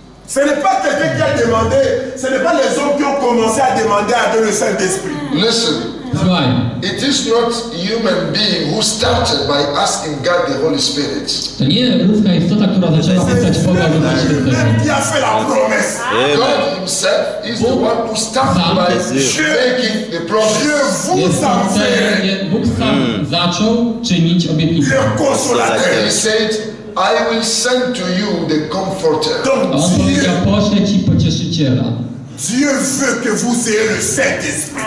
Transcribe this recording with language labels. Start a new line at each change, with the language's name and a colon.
French: Ce n'est pas quelqu'un qui a demandé, ce n'est pas les hommes qui ont commencé à demander à Dieu le Saint-Esprit.
English: Listen. It is not human being who started by asking God the Holy Spirit.
Polish: To nie ludzka istota, która zaczęła pytać Boga o Ducha Świętego.
English: God himself is the one who started by making the promise.
Polish: Bóg sam zaczął czynić obietnicę.
French: Consolateur.
English: He said, I will send to you the comforter.
Polish: On powiedział, poślę ci pocieszyciela.
French: Dieu veut que vous soyez le Saint-Esprit.